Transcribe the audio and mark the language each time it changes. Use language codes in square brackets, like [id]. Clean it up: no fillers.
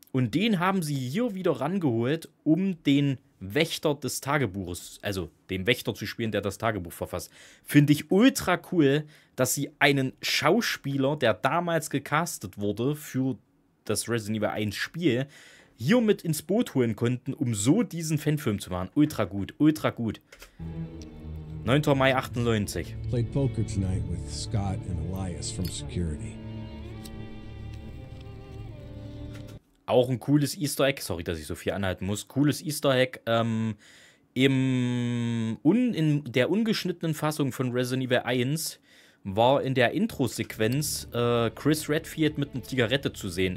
[de] Und den haben sie hier wieder rangeholt, um den Wächter des Tagebuches, also den Wächter zu spielen, der das Tagebuch verfasst. Finde ich ultra cool, dass sie einen Schauspieler, der damals gecastet wurde für das Resident Evil 1 Spiel, hier mit ins Boot holen konnten, um so diesen Fanfilm zu machen. Ultra gut, ultra gut. 9. Mai 98. [en] Played poker tonight with Scott and Elias from Security. [de] Auch ein cooles Easter Egg. Sorry, dass ich so viel anhalten muss. Cooles Easter Egg. In der ungeschnittenen Fassung von Resident Evil 1 war in der Intro-Sequenz Chris Redfield mit einer Zigarette zu sehen.